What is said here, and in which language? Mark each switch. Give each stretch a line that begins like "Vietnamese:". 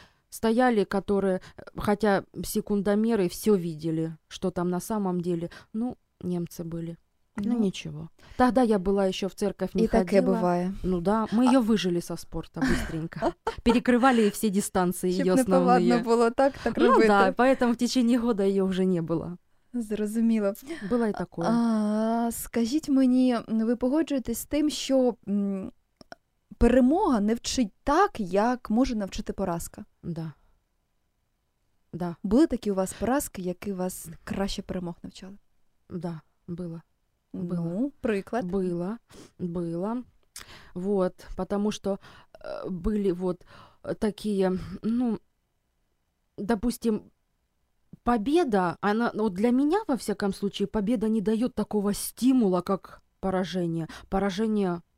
Russian: Стояли, которые, хотя секундомеры все видели, что там на самом деле, ну, немцы были. Ну, ничего. Тогда я была еще в церковь не и ходила. И так и бывает. Ну да, мы ее выжили со спорта быстренько. Перекрывали все дистанции ее основные. Чтобы неповадно было так ну,
Ukrainian: робити.
Russian: Ну да, поэтому в течение года ее уже не было.
Ukrainian: Зрозуміло.
Russian: Было и такое.
Ukrainian: Скажіть мені, ви погоджуєтесь з тим, що перемога не вчить так, як може навчити поразка?
Russian: Да. Да.
Ukrainian: Були такі у вас поразки, які вас краще перемог навчали?
Russian: Да, было. Было.
Ukrainian: Ну, приклад.
Russian: Было, было. Вот, потому что были вот такие, ну, допустим, победа, она, вот для меня, во всяком случае, победа не дает такого стимула, как поражение. Поражение...